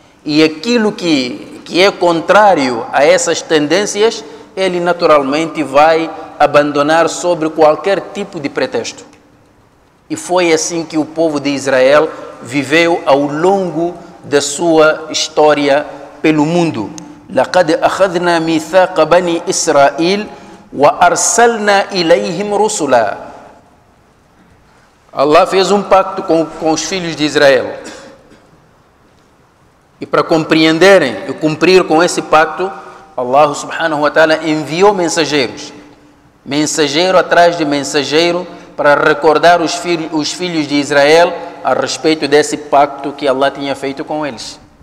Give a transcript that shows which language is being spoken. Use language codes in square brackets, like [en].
[pt] E aquilo que é contrário a essas tendências, ele naturalmente vai abandonar sobre qualquer tipo de pretexto. E foi assim que o povo de Israel viveu ao longo da sua história pelo mundo, [ar] لقد أخذنا ميثاق بني إسرائيل وأرسلنا إليهم رسلا. [pt] Allah fez pacto com os filhos de Israel. E para compreenderem e cumprir com esse pacto, Allah subhanahu wa ta'ala enviou mensageiros. Mensageiro atrás de mensageiro para recordar os filhos de Israel a respeito desse pacto que Allah tinha feito com eles.